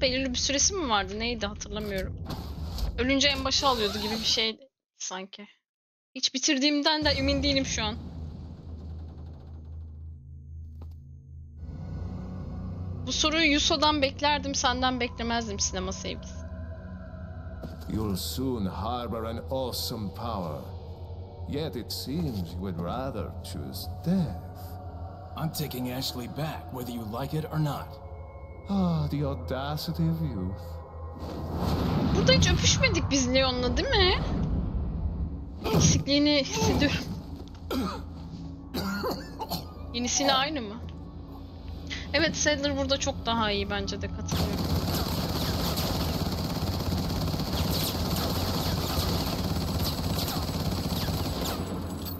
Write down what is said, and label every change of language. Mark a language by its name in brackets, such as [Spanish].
[Turkish] Belirli bir süresi mi vardı? Neydi, hatırlamıyorum. Ölünce en başa alıyordu gibi bir şeydi sanki. Hiç bitirdiğimden de emin değilim şu an. Bu soruyu Yuso'dan beklerdim, senden beklemezdim sinema sevgisi. [English] You'll soon harbor an awesome power. Yet it seems you would rather choose death. I'm taking Ashley back, whether you like it or not. Ah, the audacity of youth. [Turkish] Burada hiç öpüşmedik biz Leon'la, değil mi? Eksikliğini hissediyorum. Yenisiyle aynı mı? Evet, Sadler burada çok daha iyi bence de, katılıyorum.